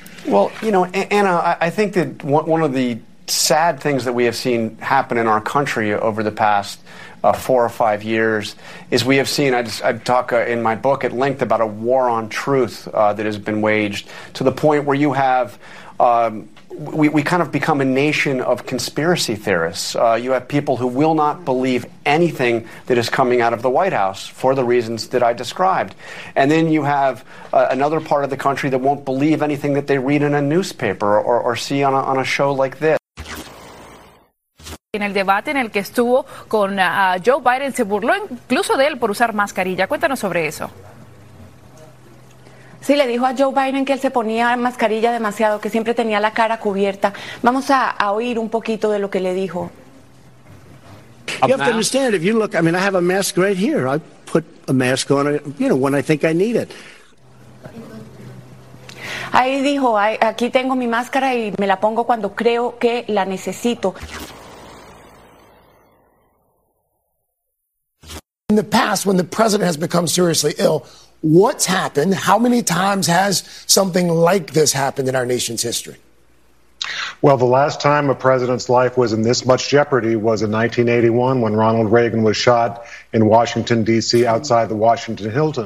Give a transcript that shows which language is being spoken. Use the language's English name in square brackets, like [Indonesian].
[English] Well, Anna, I think that one of the sad things that we have seen happen in our country over the past 4 or 5 years is we have seen, I talk in my book at length about a war on truth that has been waged to the point where you have, we kind of become a nation of conspiracy theorists. You have people who will not believe anything that is coming out of the White House for the reasons that I described. And then you have another part of the country that won't believe anything that they read in a newspaper or see on a show like this. [Spanish] En el debate en el que estuvo con Joe Biden, se burló incluso de él por usar mascarilla. Cuéntanos sobre eso. Sí, le dijo a Joe Biden que él se ponía mascarilla demasiado, que siempre tenía la cara cubierta. Vamos a oír un poquito de lo que le dijo. [English] You have to understand, if you look, I mean, I have a mask right here. I put a mask on, when I think I need it. [Spanish] Ahí dijo, aquí tengo mi máscara y me la pongo cuando creo que la necesito. [English] In the past, when the president has become seriously ill, what's happened? How many times has something like this happened in our nation's history? Well, the last time a president's life was in this much jeopardy was in 1981 when Ronald Reagan was shot in Washington, D.C., outside the Washington Hilton.